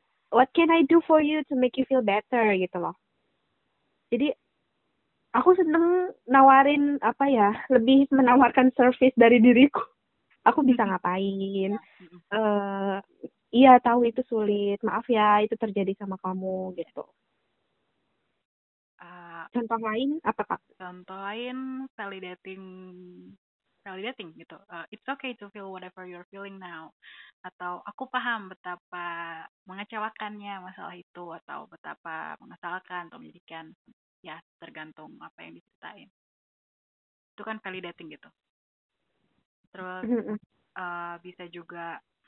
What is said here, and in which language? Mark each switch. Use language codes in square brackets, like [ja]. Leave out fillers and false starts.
[en] What can I do for you to make you feel better? [id] Gitu loh. Jadi, aku senang nawarin apa ya, lebih menawarkan service dari diriku. Aku bisa ngapain? Iya tahu itu sulit. Maaf ya itu terjadi sama kamu gitu. Contoh lain apa kak? Contoh lain validating gitu. [en] It's okay to feel whatever you're feeling now. [id] Atau aku paham betapa mengecewakannya masalah itu atau betapa mengesalkan atau menjadikan ya tergantung apa yang diceritain. Itu kan validating gitu. Terus bisa juga